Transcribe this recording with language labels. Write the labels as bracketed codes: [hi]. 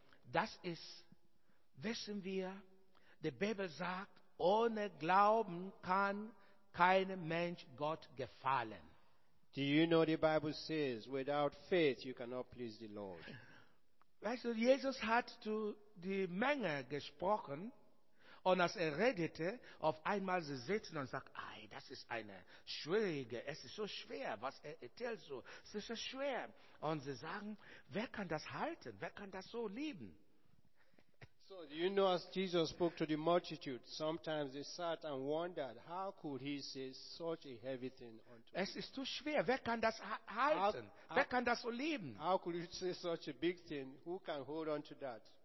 [de] Das ist, wissen wir, die Bibel sagt, ohne Glauben kann kein Mensch Gott gefallen. [en] Do you know the Bible says, without faith you cannot please the Lord? [de] Weißt du, Jesus hat zu die Menge gesprochen, und als er redete, auf einmal sie sitzen und sagt, ei, das ist eine schwierige, es ist so schwer, was er erzählt so, es ist so schwer. Und sie sagen, wer kann das halten, wer kann das so lieben? [en] So, you know, as Jesus spoke to the multitude, sometimes they sat and wondered, how could he say such a heavy thing unto [de] es ist zu schwer, wer kann das halten, wer kann das so lieben? [en] How could you say such a big thing, who can hold on to that?